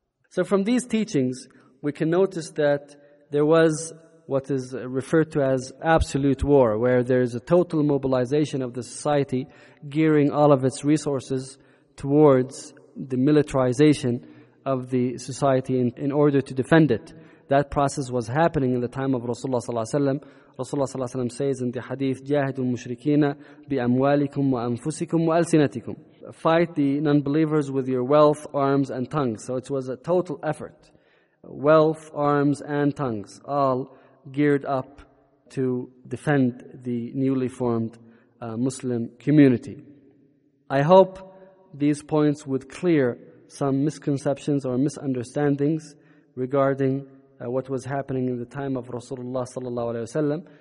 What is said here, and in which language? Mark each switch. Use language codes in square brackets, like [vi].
[en] So from these teachings, we can notice that there was what is referred to as absolute war, where there is a total mobilization of the society, gearing all of its resources towards the militarization of the society in order to defend it. That process was happening in the time of Rasulullah sallallahu alaihi wasallam. Rasulullah ﷺ says in the hadith, [ar] جَاهِدُ الْمُشْرِكِينَ بِأَمْوَالِكُمْ وَأَنفُسِكُمْ وَأَلْسِنَتِكُمْ. [en] Fight the non-believers with your wealth, arms, and tongues. So it was a total effort. Wealth, arms, and tongues, all geared up to defend the newly formed Muslim community. I hope these points would clear some misconceptions or misunderstandings regarding what was happening in the time of Rasulullah sallallahu alaihi wasallam.